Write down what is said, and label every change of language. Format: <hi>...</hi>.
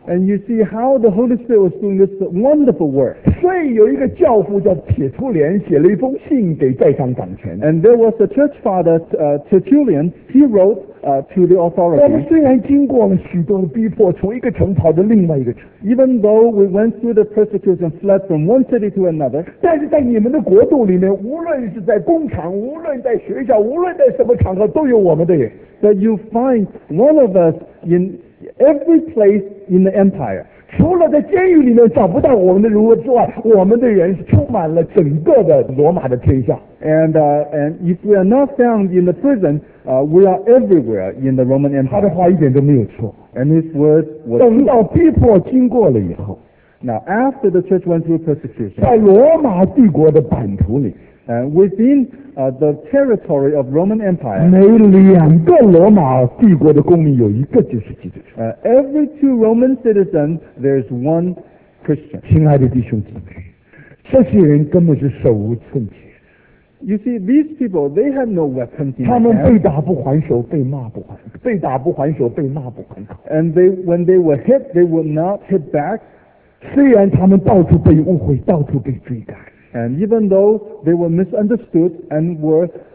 <en>And you see how the Holy Spirit was doing this wonderful work.</en> <zh>所以有一个教父叫铁图连，写了一封信给在上掌权。</zh> <en>And there was a church father, Tertullian. He wrote to the authority.</en> <zh>我们虽然经过了许多的逼迫，从一个城跑到另外一个城。</zh> <en>Even though we went through the persecution, fled from one city to another.</en> <zh>但是在你们的国度里面，无论是在工厂，无论在学校，无论在什么场合，都有我们的人。</zh> <en>That you find one of us in every place in the empire.</en> <zh>除了在监狱里面找不到我们的人物之外，我们的人是充满了整个的罗马的天下。</zh> <en>And if we are not found in the prison, we are everywhere in the Roman empire.</en> <zh>他的话一点都没有错。</zh> <en>And his words were true.</en> <zh>等到逼迫经过了以后，</zh> <en>Now after the church went through persecution,</en> <zh>在罗马帝国的版图里。</zh> <en>And within the territory of Roman Empire,</en> <zh>每两个罗马帝国的公民有一个就是基督徒。</zh> <en>Every two Roman citizens, there's one Christian.</en> <zh>亲爱的弟兄姊妹，这些人根本是手无寸铁。</zh> <en>You see, these people, they had no weapons in their hands.</en> <zh>他们被打不还手，被骂不还，被打不还手，被骂不还口。</zh> <en>And they, when they were hit, they would not hit back.</en> <zh>虽然他们到处被误会，到处被追赶。</zh> <en>And even though they were misunderstood and were</en>